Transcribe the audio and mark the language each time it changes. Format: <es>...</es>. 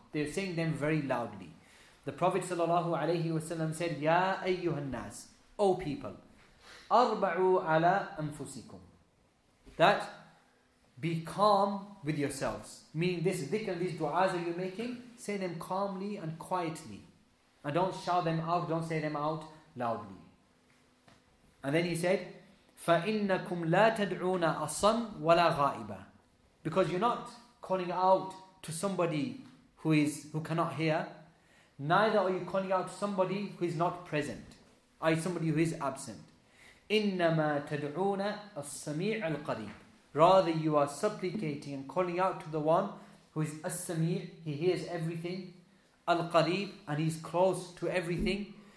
<en>They were saying them very loudly. The Prophet sallallahu alayhi wasallam said,</en> <ar>Ya ayyuhal nas,</ar> <en>O people,</en> <ar>arba'u ala anfusikum.</ar> <en>That, be calm with yourselves. Meaning this dhikr and these du'as that you're making, say them calmly and quietly. And don't shout them out, don't say them out loudly. And then he said,</en> <ar>فَإِنَّكُمْ لَا تَدْعُونَ أَصَمْ وَلَا غَائِبًا.</ar> <en>Because you're not calling out to somebody who cannot hear, neither are you calling out to somebody who is not present, i.e. somebody who is absent.</en> <ar>إِنَّمَا تَدْعُونَ أَصَّمِيعَ الْقَرِيبِ.</ar> <en>Rather, you are supplicating and calling out to the one who is as-sami', he hears everything, al-qarib, and he's close to everything.</en>